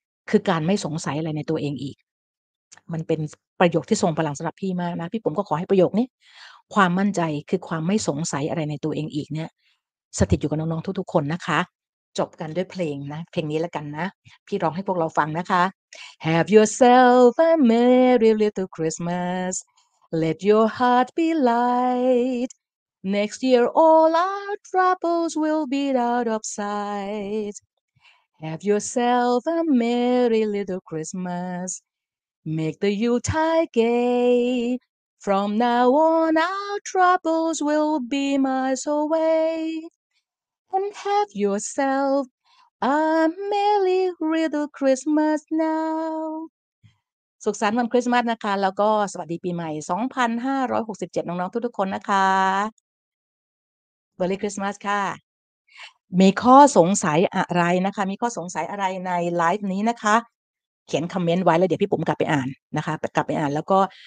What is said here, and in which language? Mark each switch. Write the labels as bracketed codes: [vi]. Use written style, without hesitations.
[th] คือการไม่สงสัยอะไรในตัวเองอีกมันเป็นประโยคที่ทรงพลังสำหรับพี่มากนะพี่ผมก็ขอให้ประโยคนี้ความมั่นใจคือความไม่สงสัยอะไรในตัวเองอีกเนี่ยสถิตอยู่กับน้องๆทุกๆคนนะคะจบกันด้วยเพลงนะเพลงนี้แล้วกันนะพี่ร้องให้พวกเราฟังนะคะ [en] Have yourself a merry little ChristmasLet your heart be light. Next year, all our troubles will be out of sight. Have yourself a merry little Christmas. Make the Yuletide gay. From now on, our troubles will be miles away. And have yourself a merry little Christmas now. [th] สุขสันต์วันคริสต์มาสนะคะแล้วก็สวัสดีปีใหม่2567น้องๆทุกๆคนนะคะ [en] Merry Christmas [th] ค่ะมีข้อสงสัยอะไรนะคะมีข้อสงสัยอะไรในไลฟ์นี้นะคะเขียนคอมเมนต์ไว้แล้วเดี๋ยวพี่ปุ๋มกลับไปอ่านนะคะกลับไปอ่านแล้วก็